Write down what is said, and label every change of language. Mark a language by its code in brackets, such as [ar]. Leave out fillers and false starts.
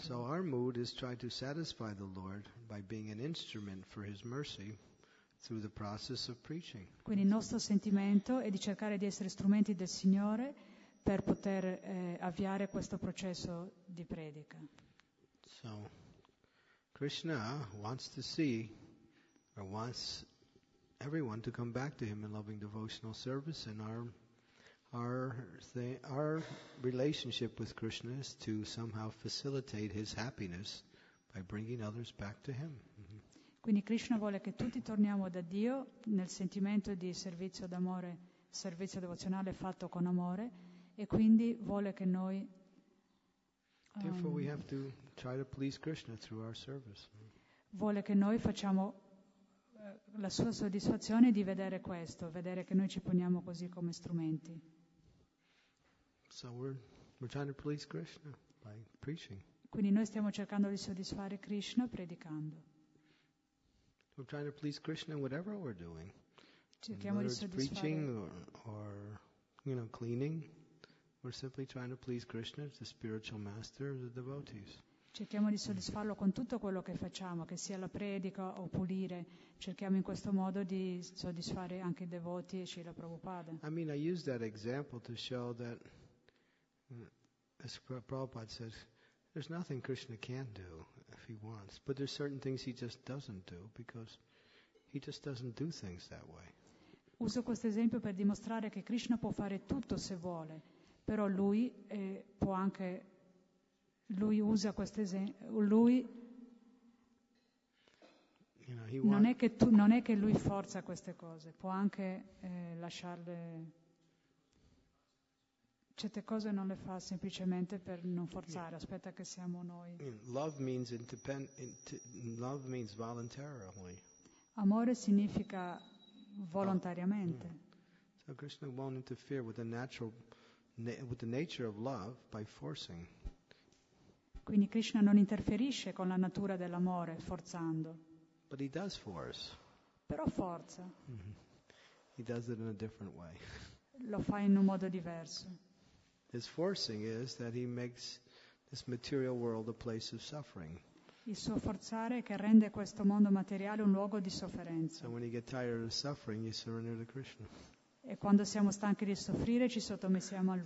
[en] So our mood is try to satisfy the Lord by being an instrument for his mercy. Through the process of preaching. [it] Quindi il nostro sentimento è di cercare di essere strumenti del Signore per poter avviare questo processo di predica. [en] So, Krishna wants to see, or wants everyone to come back to him in loving devotional service, and our relationship with Krishna is to somehow facilitate his happiness by bringing others back to him. Mm-hmm. [it] Quindi Krishna vuole che tutti torniamo da Dio nel sentimento di servizio d'amore servizio devozionale fatto con amore e quindi vuole che noi [en] Therefore we have to try to please Krishna through our service. [it] Vuole che noi facciamo la sua soddisfazione di vedere questo, vedere che noi ci poniamo così come strumenti. [en] So we're trying to please Krishna by preaching. [it] Quindi noi stiamo cercando di soddisfare Krishna predicando. [en] We're trying to please Krishna in whatever we're doing. [it] Cerchiamo di soddisfare [en] preaching or you know cleaning. We're simply trying to please Krishna, the spiritual master, the devotees. [it] Cerchiamo di soddisfarlo con tutto quello che facciamo, che sia la predica o pulire. Cerchiamo in questo modo di soddisfare anche i devoti e Srila Prabhupada. [en] I mean, I use that example to show that, as Prabhupada says, there's nothing Krishna can do if he wants, but there's certain things he just doesn't do because he just doesn't do things that way. [it] Uso questo esempio per dimostrare che Krishna può fare tutto se vuole, però lui può anche lui usa questo esempio lui [en] you know, [it] non è che lui forza queste cose può anche lasciarle certe cose non le fa semplicemente per non forzare aspetta che siamo noi [en] love means voluntarily [it] amore significa volontariamente [en] So Krishna won't interfere with the natural with the nature of love by forcing. [it] Quindi Krishna non interferisce con la natura dell'amore forzando. [en] But he does force. [it] Però forza. [en] Mm-hmm. He does it in a different way. [it] Lo fa in un modo diverso. [en] His forcing is that he makes this material world a place of suffering. [it] Il suo forzare è che rende questo mondo materiale un luogo di sofferenza. [en] So when you get tired of suffering, you surrender to Krishna. [it] E quando siamo stanchi di soffrire ci sottomettiamo a lui.